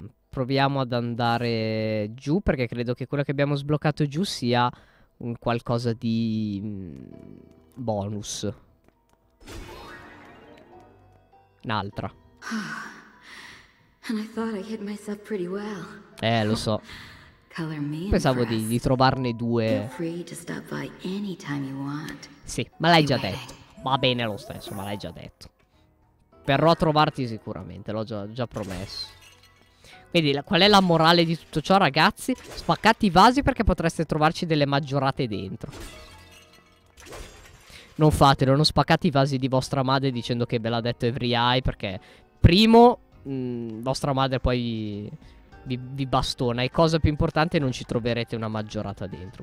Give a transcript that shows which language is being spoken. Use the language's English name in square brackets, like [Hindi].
[Italian] Proviamo ad andare giù, perché credo che quello che abbiamo sbloccato giù sia un qualcosa di bonus. Un'altra. [English] And I thought I hid myself pretty well. [Italian] Lo so. [English] Color me. [Italian] Pensavo di trovarne due. [English] Feel free to stop by anytime you want. [Italian] Sì, ma l'hai già detto. Va bene lo stesso, ma l'hai già detto. Verrò a trovarti sicuramente, l'ho già promesso. Quindi qual è la morale di tutto ciò, ragazzi? Spaccate i vasi perché potreste trovarci delle maggiorate dentro. Non fatelo, non spaccate i vasi di vostra madre dicendo che ve l'ha detto Every Eye, perché primo, vostra madre poi vi bastona, e cosa più importante, non ci troverete una maggiorata dentro.